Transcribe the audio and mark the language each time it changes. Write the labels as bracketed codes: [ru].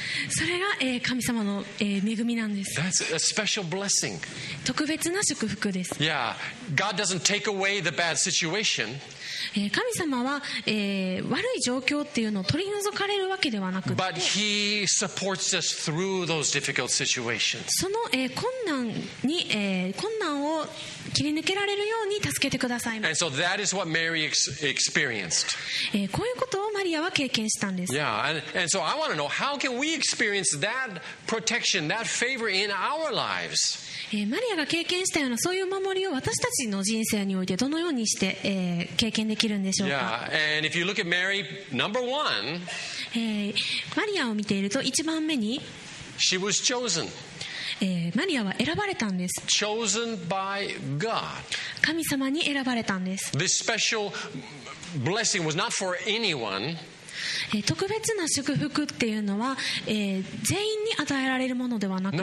[ja] それが、神様の、恵みなんです。 [en] That's a special blessing. [ja] 特別な祝福です。 [en] Yeah. God doesn't take away the bad situation. [ja] 神様は、悪い状況っていうのを取り除かれるわけではなくて、 [en] But he supports us through those difficult situations. [ja] その、困難に、困難を切り抜けられるように助けてください [en] ま。And so that is what Mary experienced. [ja] こういうことをマリアは経験したんです。 [en] Yeah. And so I want to know how can we experience that protection, that favor in our lives. [ja] マリアが経験したようなそういう守りを私たちの人生においてどのようにして、経験できるんでしょうか。 [en] Yeah. And if you look at Mary, number one, [ja] マリアを見ていると一番目に、 [en] she was chosen. [ja] マリアは選ばれたんです。 [en] Chosen by God. [ja] 神様に選ばれたんです。 [en] This special blessing was not for anyone. [ja] 特別な祝福っていうのは、全員に与えられるものではなくて、